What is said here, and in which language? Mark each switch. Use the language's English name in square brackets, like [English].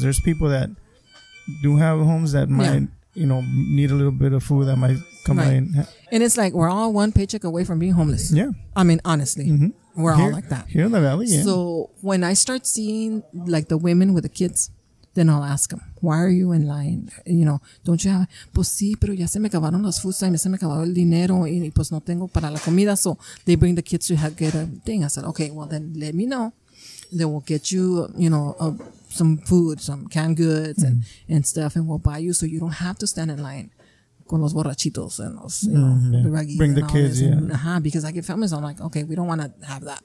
[English] There's people that do have homes that might, yeah. you know, need a little bit of food that might come right. by. And it's like we're all one paycheck away from being homeless. Yeah. I mean, honestly. Mm-hmm. We're here, all like that. Here in the valley, yeah. So when I start seeing like the women with the kids, then I'll ask them, why are you in line? You know, don't you have, [Spanish] pues sí, pero ya se me acabaron los food stamps, se me acabó el dinero, y pues no tengo para la comida. [English] So they bring the kids to get a thing. I said, okay, well then let me know. Then we'll get you, you know, some food, some canned goods mm-hmm. and stuff, and we'll buy you so you don't have to stand in line. [Spanish] Con los borrachitos [English] and [Spanish] los, [English] you know, mm-hmm. the bring the kids, this. Yeah. And, uh-huh, because I get families, I'm like, okay, we don't want to have that.